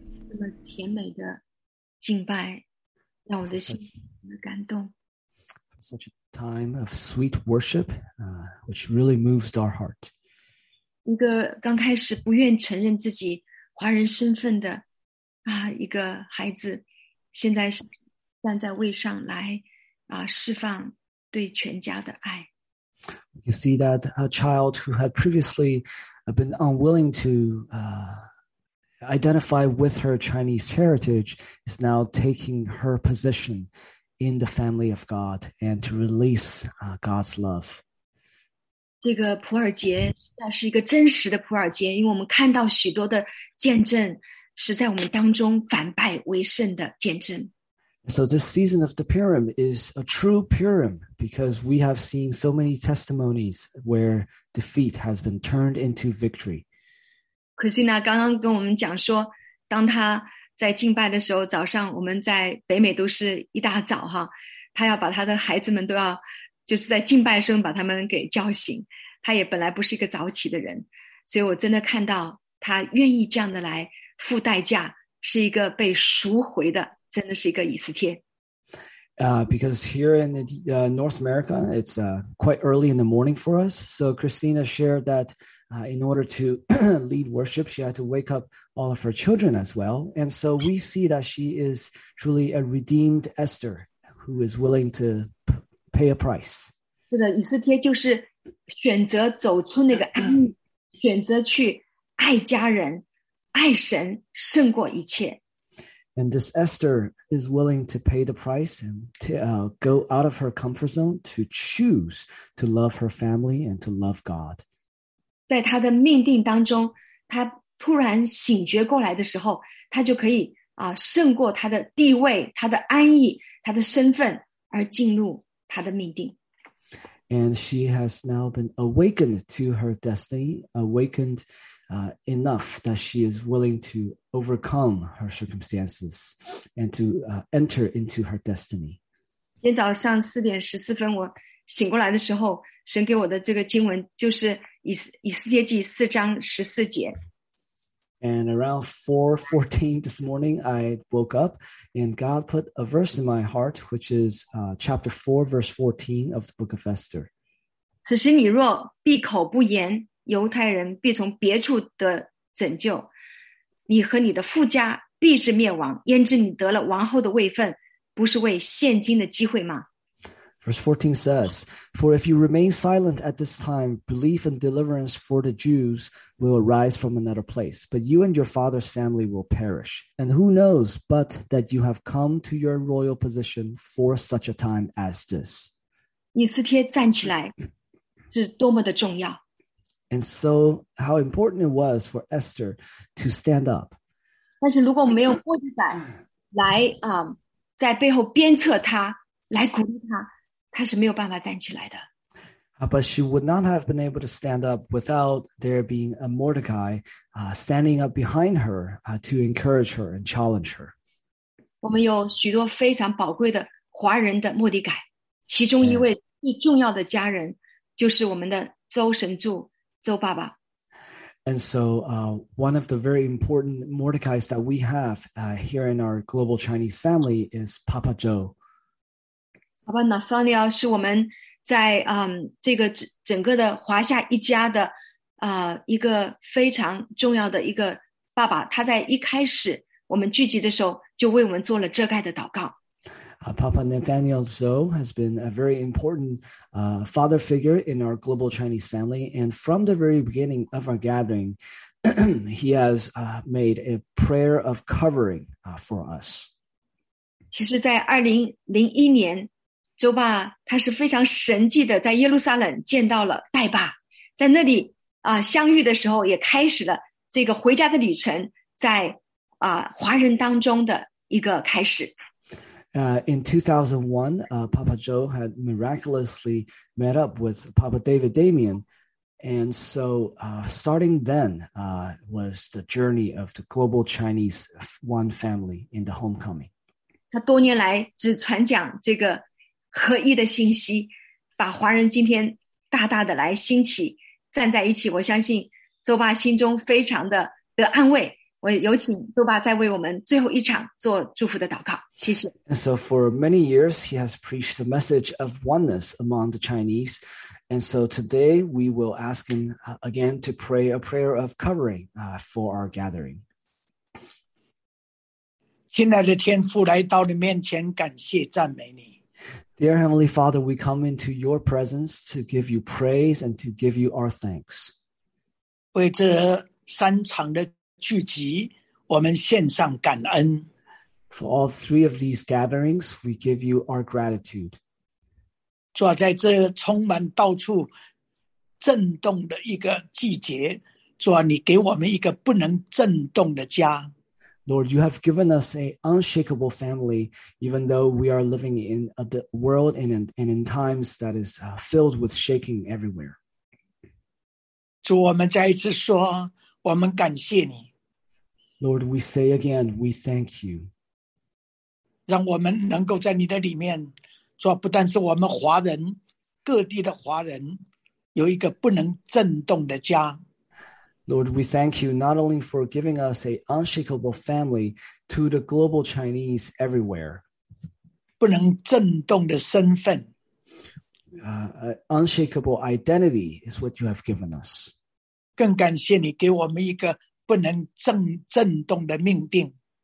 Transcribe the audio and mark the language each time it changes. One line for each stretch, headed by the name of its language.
Chinese: 这么甜美的敬拜，让我的心很感动。
English: Such a time of sweet worship, which really moves our heart.
Chinese: 一个刚开始不愿承认自己华人身份的啊一个孩子，现在是站在位上来啊释放对全家的爱。
English: We can see that a child who had previously been unwilling to identify with her Chinese heritage is now taking her position in the family of God and to release God's love.
Chinese: 这个普尔杰实在是一个真实的普尔杰，因为我们看到许多的见证是在我们当中反败为胜的见证。
English: So this season of the Purim is a true Purim because we have seen so many testimonies where defeat has been turned into victory.
Chinese: Christina 刚刚跟我们讲说，当她在敬拜的时候，早上我们在北美都是一大早哈，她要把她的孩子们都要就是在敬拜声把他们给叫醒。她也本来不是一个早起的人，所以我真的看到她愿意这样的来付代价，是一个被赎回的。真的是一个以斯帖。
English: Because here in North America, it's quite early in the morning for us. So Christina shared that in order to lead worship, she had to wake up all of her children as well. And so we see that she is truly a redeemed Esther who is willing to pay a price.
Chinese: 是的，以斯帖就是选择走出那个安逸，选择去爱家人，爱神胜过一切。
English: And this Esther is willing to pay the price and to, go out of her comfort zone to choose to love her family and to love God.
Chinese: 在她的命定当中，她突然醒觉过来的时候，她就可以胜过她的地位、她的安逸、她的身份，而进入她的命定。
English: And she has now been awakened to her destiny, awakened enough that she is willing to overcome her circumstances and to enter into her destiny.
Chinese: 今天早上四点十四分，我醒过来的时候，神给我的这个经文就是以斯帖记四章十四节。
English: And around 4:14 this morning, I woke up and God put a verse in my heart, which is chapter 4, verse 14 of the book of Esther.
Chinese: 此时你若闭口不言，犹太人必从别处得拯救，你和你的父家必至灭亡，焉知你得了王后的位分，不是为现今的机会吗？
English: Verse 14 says, For if you remain silent at this time, belief and deliverance for the Jews will arise from another place, but you and your father's family will perish. And who knows but that you have come to your royal position for such a time as this?
Chinese: 以斯帖站起来是多么的重要。
English: And so how important it was for Esther to stand up.
Chinese: 但是如果没有迫切感来在背后鞭策她，来鼓励她，她是没有办法站起来的。
English: But she would not have been able to stand up without there being a Mordecai standing up behind her to encourage her and challenge her.
Chinese: 我们有许多非常宝贵的华人的莫迪改，其中一位最重要的家人就是我们的周神助周爸爸。
English: And so one of the very important Mordecais that we have here in our global Chinese family is Papa Joe.
Chinese: Papa Nathaniel 是我们在这个整个的华夏一家的一个非常重要的一个爸爸，他在一开始我们聚集的时候就为我们做了遮盖的祷告。
English: Papa Nathaniel Zhou has been a very important father figure in our global Chinese family. And from the very beginning of our gathering, he has made a prayer of covering for us.
Chinese: 其实在2001年，周爸他是非常神迹的在耶路撒冷见到了代爸，在那里相遇的时候也开始了这个回家的旅程，在华人当中的一个开始。
English: In 2001, Papa Joe had miraculously met up with Papa David Damien. And so starting then was the journey of the global Chinese one family in the homecoming.
Chinese: 他多年来只传讲这个合一的信息，把华人今天大大的来兴起，站在一起，我相信周爸心中非常的得安慰。我有请周爸再为我们最后一场做祝福的祷告，谢谢。
English: And so for many years, he has preached the message of oneness among the Chinese. And so today, we will ask him again to pray a prayer of covering for our gathering.
Chinese: 亲爱的天父，来到你面前，感谢赞美你。
English: Dear Heavenly Father, we come into your presence to give you praise and to give you our thanks.
Chinese: 为这三场的聚集，我们献上感恩。
English: For all three of these gatherings, we give you our gratitude.
Chinese: 主啊，在这充满到处震动的一个季节，主啊，你给我们一个不能震动的家。
English: Lord, you have given us an unshakable family, even though we are living in the world and in times that is filled with shaking everywhere.
Chinese: 主，我们再一次说，我们感谢你。
English: Lord, we say again, we thank you.
Chinese: 让我们能够在你的里面，主啊，不但是我们华人，各地的华人，有一个不能震动的家。
English: Lord, we thank you not only for giving us an unshakable family to the global Chinese everywhere.
Chinese: 不能震动的身份。
English: An unshakable identity is what you have given us.
Chinese: 更感谢你给我们一个不能震动的命定。